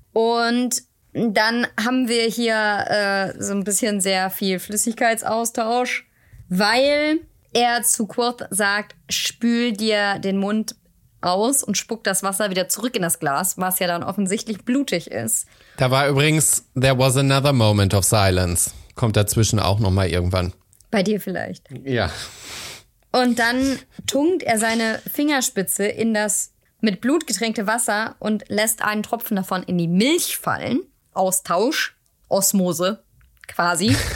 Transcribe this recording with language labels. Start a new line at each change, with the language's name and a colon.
German: Und dann haben wir hier so ein bisschen sehr viel Flüssigkeitsaustausch, weil er zu Quoth sagt, spül dir den Mund aus und spuck das Wasser wieder zurück in das Glas, was ja dann offensichtlich blutig ist. Da war übrigens,
English: there was another moment of silence.
German: Kommt dazwischen auch nochmal irgendwann. Bei dir vielleicht. Ja. Und dann tunkt er seine Fingerspitze in das mit Blut getränkte Wasser und lässt einen Tropfen davon in die Milch fallen. Austausch, Osmose, quasi.